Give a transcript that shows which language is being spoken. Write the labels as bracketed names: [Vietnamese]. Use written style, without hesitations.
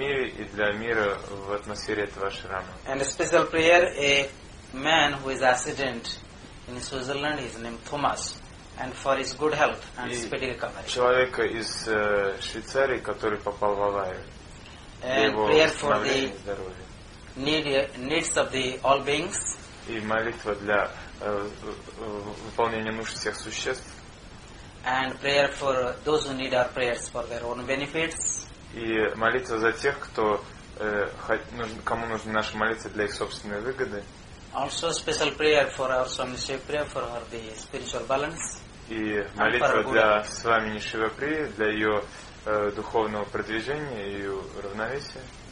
[Russian] И для мира в атмосфере этого ашрама. [English] And a special prayer, a man who is a resident in Switzerland, his name Thomas. and for his good health and speedy recovery. [Russian] Человека из Швейцарии, который попал в аварию. [English] Prayer for the needs of the all beings. [Russian] И молитва для выполнения нужд всех существ. [English] And prayer for those who need our prayers for their own benefits. [Russian] И молитва за тех, кто кому нужны наши молитвы для их собственной выгоды. [English] Also special prayer for our Swami Shivapriya for her the spiritual balance. [Russian] И молитва для Свамини Шиваприи для ее духовного продвижения и равновесия.